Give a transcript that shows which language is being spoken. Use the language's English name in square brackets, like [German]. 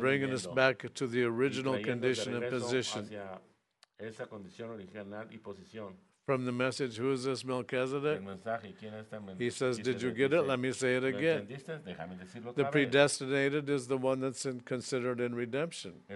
[English] Bringing us back to the original condition and position. [Spanish] Hacia esa condición original y posición. [English] from the message, who is this Melchizedek? He says, did you get it? Let me say it again. The predestinated is the one that's considered in redemption.